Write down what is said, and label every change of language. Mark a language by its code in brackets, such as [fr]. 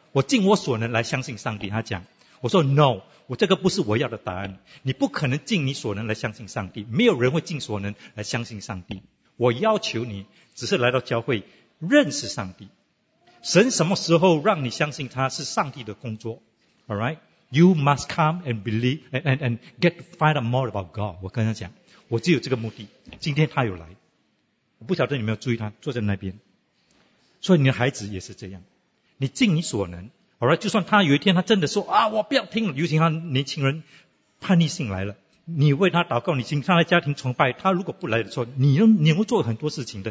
[zh] 我尽我所能来相信上帝，他讲。我说 No, 我这个不是我要的答案。你不可能尽你所能来相信上帝，没有人会尽所能来相信上帝。我要求你只是来到教会认识上帝。神什么时候让你相信他是上帝的工作？ [en] Alright? You must come and believe and get to find out more about God. [zh] 我跟他讲。我只有这个目的，今天他有来，我不晓得你有没有注意他坐在那边。所以你的孩子也是这样，你尽你所能。好了，就算他有一天他真的说啊，我不要听了，尤其他年轻人叛逆性来了，你为他祷告，你经常来家庭崇拜，他如果不来的时候，你会做很多事情的。